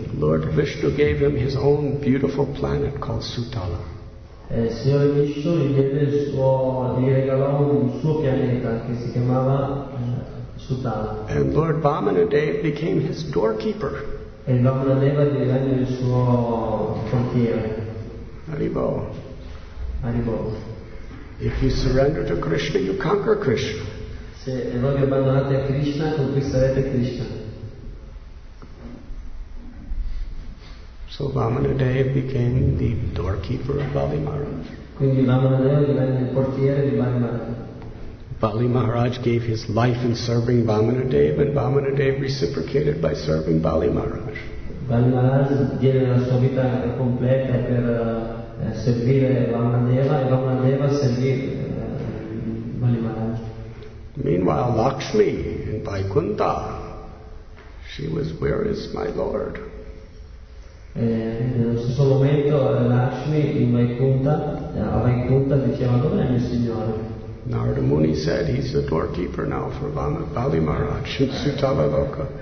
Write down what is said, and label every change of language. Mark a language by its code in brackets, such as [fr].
[en] Lord Vishnu gave him his own beautiful planet called Sutala. [it] Signore Vishnu gli regalò un suo pianeta che si chiamava Sutala. [en] And Lord Vamanadeva became his doorkeeper. [it] E Vamanadeva divenne il suo portiere. Arrivò. Arrivò. [en] If you surrender to Krishna, you conquer Krishna. [it] Se voi abbandonate a Krishna, conquisterete Krishna. [en] So Vamanadeva became the doorkeeper of Bali Maharaj. [it] Quindi Vamanadeva divenne il portiere di Bali Maharaj. [en] Bali Maharaj gave his life in serving Vamanadeva, and Vamanadeva reciprocated by serving Bali Maharaj. [it] Bali Maharaj diede la sua vita completa per servire Vamanadeva, e Vamanadeva servì Bali Maharaj. [en] Meanwhile, Lakshmi in Vaikuntha, she was, where is my Lord? [it] Nello stesso momento, Lakshmi in Vaikuntha, a Vaikuntha, diceva, dov'è il mio Signore? [en] Narada Muni said, he's the doorkeeper now for Bali Maharaj in Sutala Loka.